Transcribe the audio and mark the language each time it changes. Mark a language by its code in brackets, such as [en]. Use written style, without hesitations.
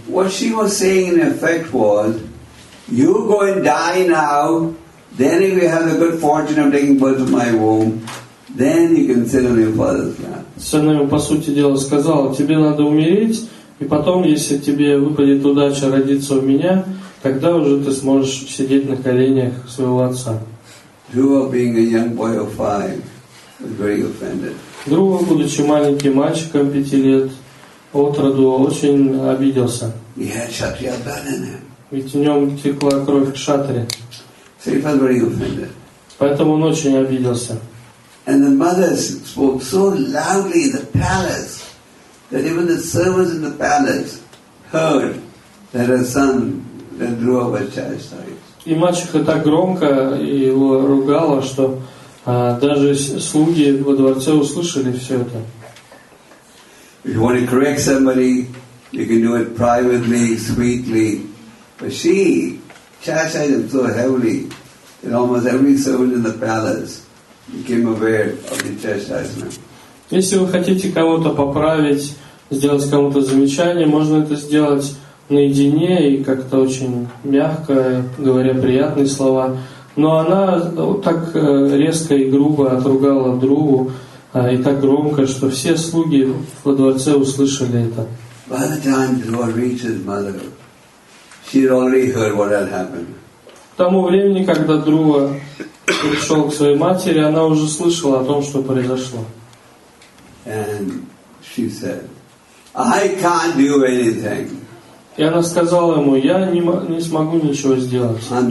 [en] What she was saying in effect was, you go and die now, then if you have the good fortune of taking birth from my womb, then you can sit on your father's lap. [ru] Сына ему, по сути дела, сказал: тебе надо умереть, и потом, если тебе выпадет удача родиться у меня, тогда уже ты сможешь сидеть на коленях своего отца. [en] Dhruva, being a young boy of five, was very offended. [ru] Dhruva, будучи маленьким мальчиком 5 лет от роду, очень обиделся. [en] He had kshatriya blood in him. [ru] Ведь в нем текла кровь кшатри. [en] So he felt very offended. [ru] Поэтому он очень обиделся. [en] And the mothers spoke so loudly in the palace that even the servants in the palace heard that her son, that Dhruva was chastised. [ru] И мачеха так громко его ругала, что даже слуги во дворце услышали все это. [en] If you want to correct somebody, you can do it privately, sweetly, But she chastised him so heavily that almost every servant in the palace became aware of the chastisement. [ru] Если вы хотите кого-то поправить, сделать кому-то замечание, можно это сделать наедине и как-то очень мягко, говоря приятные слова. Но она так резко и грубо отругала другу и так громко, что все слуги во дворце услышали это. [en] By the time the Lord reached his mother, she had already heard what had happened. [ru] К тому времени, когда Друва пришел к своей матери, она уже слышала о том, что произошло. [en] And she said, "I can't do anything." [ru] И она сказала ему, я не смогу ничего сделать.